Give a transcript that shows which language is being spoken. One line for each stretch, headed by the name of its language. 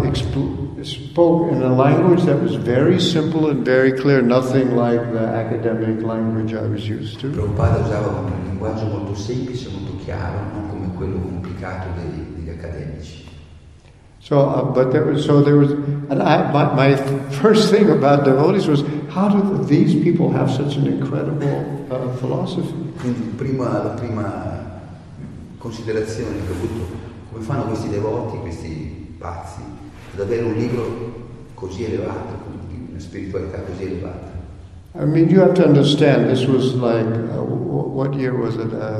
English: Prabhupada spoke in a language that was very simple and very clear, nothing like the academic language I was used to.
Italian: Prabhupada usava un linguaggio molto semplice, molto chiaro, non come quello complicato degli accademici.
English: My first thing about devotees was, how do these people have such an incredible philosophy?
Italian: Quindi la prima considerazione che ho avuto, come fanno questi devoti, questi pazzi, ad avere un libro così elevato, una spiritualità così elevata?
English: I mean, you have to understand, this was like, what year was it?